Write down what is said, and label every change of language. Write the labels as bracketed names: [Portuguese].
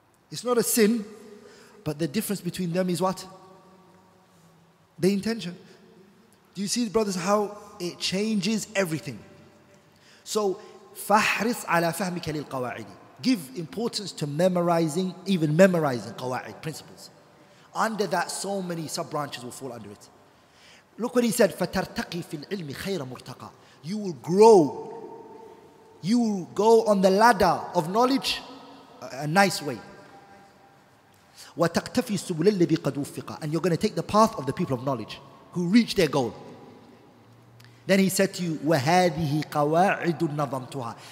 [English] It's not a sin, but the difference between them is what? The intention. Do you see, brothers, how it changes everything? So, [Arabic] فَحْرِصْ عَلَى فَهْمِكَ لِلْقَوَاعِدِ. [English] give importance to memorizing, even memorizing qawa'id, principles. Under that, so many sub-branches will fall under it. Look what he said, [Arabic] فَتَرْتَقِي فِي الْعِلْمِ خَيْرَ مُرْتَقَى. [English] You will grow. You will go on the ladder of knowledge a nice way. [Arabic] وَتَقْتَفِي السُّبُلَ الَّذِي قَدْ وُفِّقَى. [English] And you're going to take the path of the people of knowledge who reach their goal. Then he said to you, [Arabic] وَهَذِهِ قَوَاعِدُ نَظَمْتُهَا.